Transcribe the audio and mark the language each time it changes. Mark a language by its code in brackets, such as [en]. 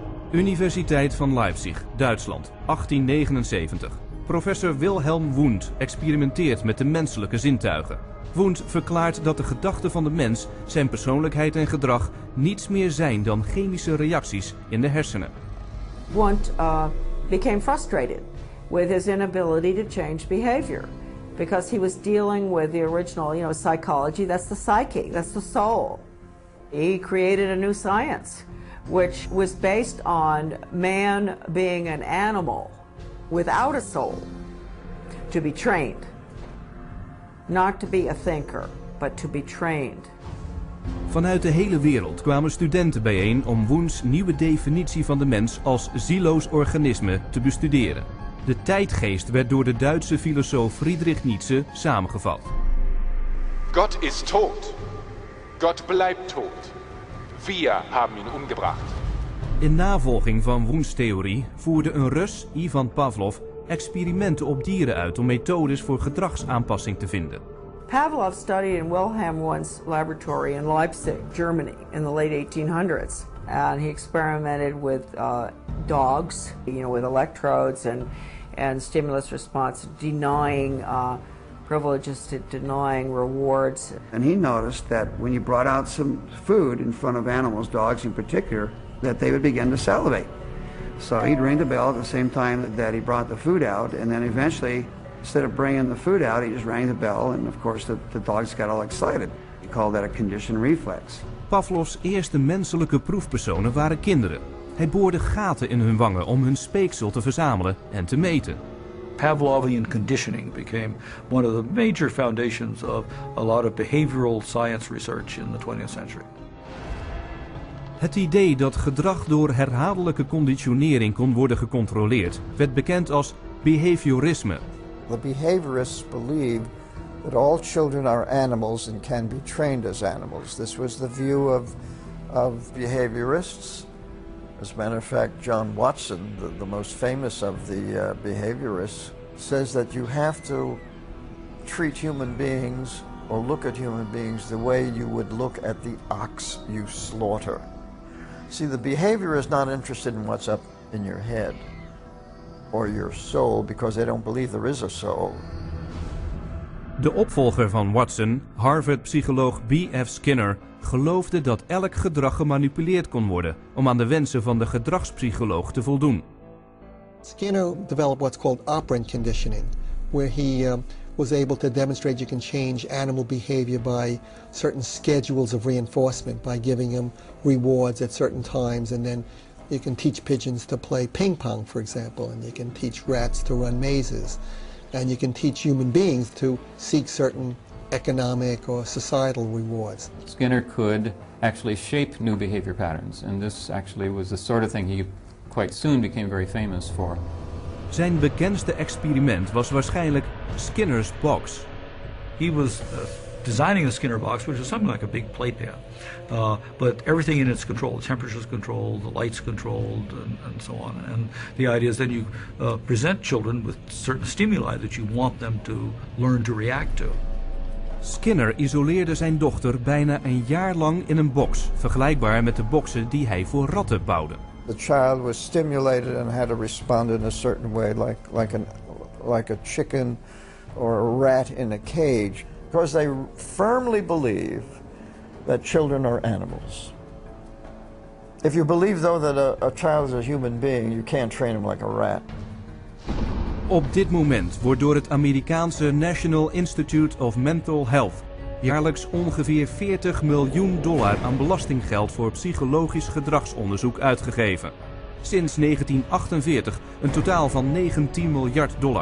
[nl] Universiteit van Leipzig, Duitsland, 1879. Professor Wilhelm Wundt experimenteert met de menselijke zintuigen. Wundt verklaart dat de gedachten van de mens, zijn persoonlijkheid en gedrag, niets meer zijn dan chemische reacties in de hersenen. [en] Wundt became frustrated with his inability to change behavior. Because he was dealing with the original, you know, psychology, that's the psyche, that's the soul. He created a new science, which was based on man being an animal without a soul, to be trained. Not to be a thinker, but to be trained. [nl] Vanuit de hele wereld kwamen studenten bijeen om Wundt's nieuwe definitie van de mens als zieloos organisme te bestuderen. De tijdgeest werd door de Duitse filosoof Friedrich Nietzsche samengevat. [de] God is tot. God blijft tot. Wir haben ihn umgebracht. [nl] In navolging van Wundts theorie voerde een Rus, Ivan Pavlov, experimenten op dieren uit om methodes voor gedragsaanpassing te vinden. [en] Pavlov studied in Wilhelm Wundt's laboratory in Leipzig, Germany, in the late 1800s. And he experimented with dogs, you know, with electrodes and stimulus response, denying privileges to denying rewards. And he noticed that when you brought out some food in front of animals, dogs in particular, that they would begin to salivate. So he'd ring the bell at the same time that he brought the food out, and then eventually, instead of bringing the food out, he just rang the bell, and of course the dogs got all excited. He called that a conditioned reflex. [nl] Pavlov's eerste menselijke proefpersonen waren kinderen. Hij boorde gaten in hun wangen om hun speeksel te verzamelen en te meten. [en] Pavlovian conditioning became one of the major foundations of a lot of behavioral science research in the 20th century. [nl] Het idee dat gedrag door herhaaldelijke conditionering kon worden gecontroleerd, werd bekend als behaviorisme. [en] The behaviorists believed that all children are animals and can be trained as animals. This was the view of behaviorists. As a matter of fact, John Watson, the most famous of the behaviorists, says that you have to treat human beings or look at human beings the way you would look at the ox you slaughter. See, the behaviorist is not interested in what's up in your head or your soul, because they don't believe there is a soul. [nl] De opvolger van Watson, Harvard-psycholoog B.F. Skinner, geloofde dat elk gedrag gemanipuleerd kon worden om aan de wensen van de gedragspsycholoog te voldoen. [en] Skinner developed what's called operant conditioning, where he was able to demonstrate you can change animal behavior by certain schedules of reinforcement, by giving them rewards at certain times, and then you can teach pigeons to play ping pong, for example, and you can teach rats to run mazes, and you can teach human beings to seek certain economic or societal rewards. Skinner could actually shape new behavior patterns, and this actually was the sort of thing he quite soon became very famous for. [nl] Zijn bekendste experiment was waarschijnlijk Skinner's box. [en] He was designing the Skinner box, which is something like a big playpen, but everything in it's controlled. Temperature's controlled, the light's controlled, and so on. And the idea is then you present children with certain stimuli that you want them to learn to react to. [nl] Skinner isoleerde zijn dochter bijna een jaar lang in een box, vergelijkbaar met de boxen die hij voor ratten bouwde. [en] The child was stimulated and had to respond in a certain way, like a chicken or a rat in a cage, because they firmly believe that children are animals. If you believe, though, that a child is a human being, you can't train him like a rat. [nl] Op dit moment wordt door het Amerikaanse National Institute of Mental Health jaarlijks ongeveer $40 miljoen aan belastinggeld voor psychologisch gedragsonderzoek uitgegeven. Sinds 1948 een totaal van $19 miljard.